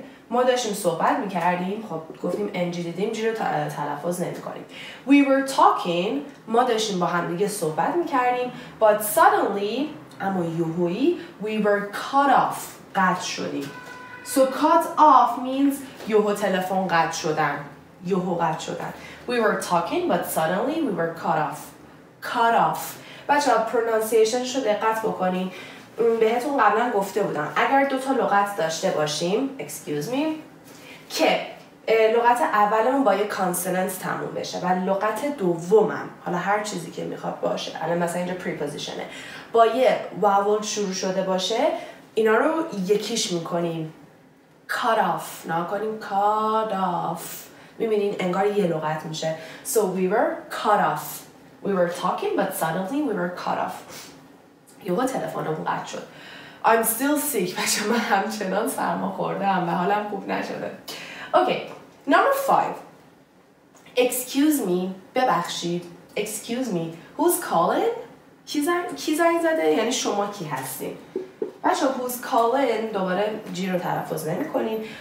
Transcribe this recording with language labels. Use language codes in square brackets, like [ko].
[fa] ما داشتیم صحبت میکردیم، خب گفتیم انجی دیدیم جی رو تلفظ نمیکنیم. [en] We were talking، [fa] ما داشتیم با هم دیگه صحبت میکردیم، [en] but suddenly، [fa] اما یوهویی، [en] we were cut off، [fa] قطع شدیم. [en] So cut off means [fa] یوهو تلفن قطع شدن، یوهو قطع شدن. [en] We were talking but suddenly we were cut off. Cut off. [fa] بچه ها پرونانسیشن شو دقت بکنین، بهتون قبلا گفته بودم اگر دوتا لغت داشته باشیم، [en] excuse me، [fa] که لغت اولمون با یه کانسوننت تموم بشه و لغت دومم، حالا هر چیزی که میخواد باشه، الان مثلا اینجا پریپوزیشنه، با یه واول شروع شده باشه، اینا رو یکیش میکنیم، cut off، ناکنیم cut off، میبینین انگار یه لغت میشه. [en] So we were cut off. We were talking but suddenly we were cut off. [fa] یهو تلفنم قطع شد. [en] I'm still sick. [fa] بچه من همچنان سرما خوردم و حالم خوب نشده. [en] Okay. Number 5. Excuse me. [fa] ببخشید. [en] Excuse me. Who's calling? [fa] کی زنگ زده؟ یعنی شما کی هستین؟ بچه [en] who's calling، [fa] دوباره جی رو تلفظ نمی کنین.